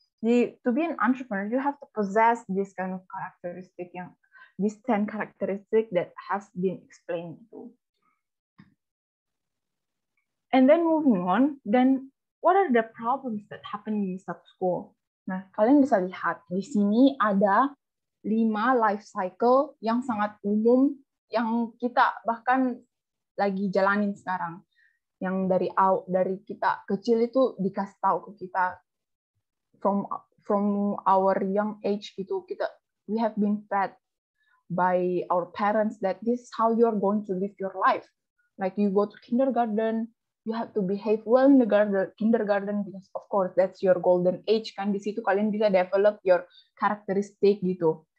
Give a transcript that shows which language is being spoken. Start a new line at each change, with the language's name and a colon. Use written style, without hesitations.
English: Jadi, to be an entrepreneur, you have to possess this kind of characteristic, yang these 10 characteristic that has been explained to. And then moving on, then what are the problems that happen in startup school?
Indonesian: Nah, kalian bisa lihat di sini ada 5 life cycle yang sangat umum yang kita bahkan lagi jalanin sekarang. Yang dari kita kecil itu dikasih tahu ke kita.
English: From our young age gitu, we have been fed by our parents that this is how you are going to live your life. Like you go to kindergarten, you have to behave well in the kindergarten because of course that's your golden age kan,
Indonesian: di situ kalian bisa
English: develop your characteristic gitu.